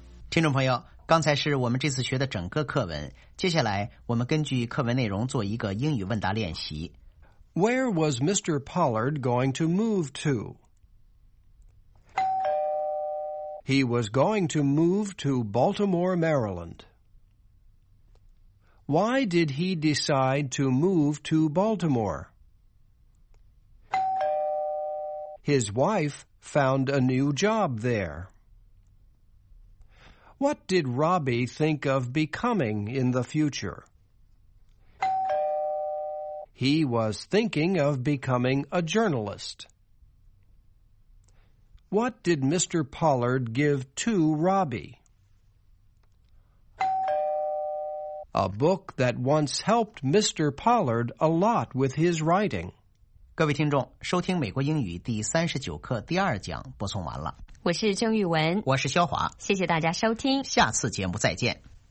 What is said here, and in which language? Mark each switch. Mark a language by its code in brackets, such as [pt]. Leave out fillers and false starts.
[zh] 听众朋友，刚才是我们这次学的整个课文。接下来，我们根据课文内容做一个英语问答练习。 [en] Where was Mr. Pollard going to move to? He was going to move to Baltimore, Maryland. Why did he decide to move to Baltimore? His wife found a new job there. What did Robbie think of becoming in the future? He was thinking of becoming a journalist. What did Mr. Pollard give to Robbie? A book that once helped Mr. Pollard a lot with his writing. [zh] 各位听众，收听美国英语第39课第二讲播送完了。我是郑玉文，我是肖华，谢谢大家收听，下次节目再见。